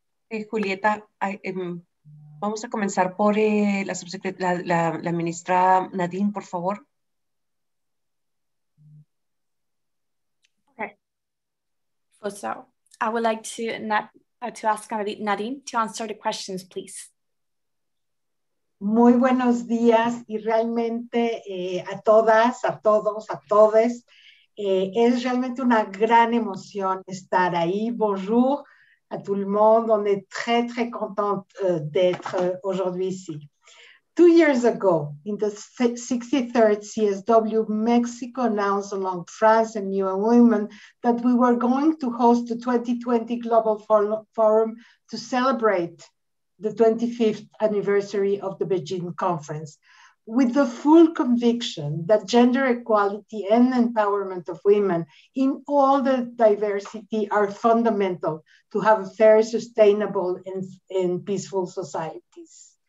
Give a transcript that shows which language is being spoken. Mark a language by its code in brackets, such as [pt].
[es] Julieta, vamos a comenzar por la ministra Nadine, por favor. [en] Okay. So, I would like to ask Nadine to answer the questions, please. [es] Muy buenos días y realmente a todas, a todos, a todes. Es realmente una gran emoción estar ahí. [fr] Bonjour. À tout le monde, on est très, très contente d'être aujourd'hui ici. [en] 2 years ago, in the 63rd CSW, Mexico announced along France and UN Women that we were going to host the 2020 Global Forum to celebrate the 25th anniversary of the Beijing Conference, with the full conviction that gender equality and empowerment of women in all the diversity are fundamental to have a fair, sustainable, and peaceful societies.